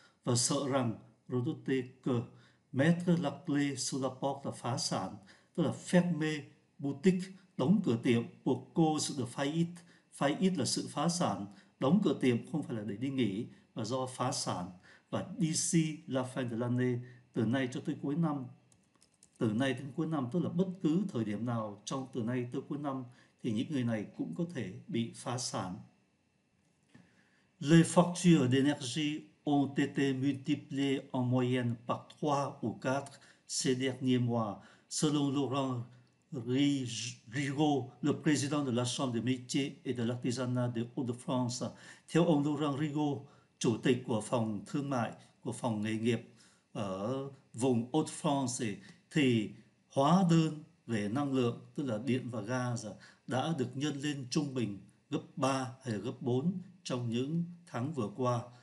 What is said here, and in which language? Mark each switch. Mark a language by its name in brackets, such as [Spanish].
[Vietnamese] Và sợ rằng [French] redouter que, mettre la clé sous la porte [Vietnamese] là phá sản, tức là [French] fermer boutique, [Vietnamese] đóng cửa tiệm, buộc cô sự faillite, faillite là sự phá sản, đóng cửa tiệm không phải là để đi nghỉ mà do phá sản. Và [French] d'ici la fin de l'année, [Vietnamese] từ nay cho tới cuối năm, từ nay đến cuối năm, tức là bất cứ thời điểm nào trong từ nay tới cuối năm thì những người này cũng có thể bị phá sản. [French] Les factures d'énergie ont été multipliées en moyenne par 3 ou 4 ces derniers mois, selon Laurent Rigaud, le président de la Chambre des métiers et de l'artisanat de Hauts-de-France. [Vietnamese] Theo ông Laurent Rigaud, chủ tịch của phòng thương mại, của phòng nghề nghiệp ở vùng Hauts-de-France, thì hóa đơn về năng lượng, tức là điện và gas, đã được nhân lên trung bình gấp 3 hay gấp 4 trong những tháng vừa qua.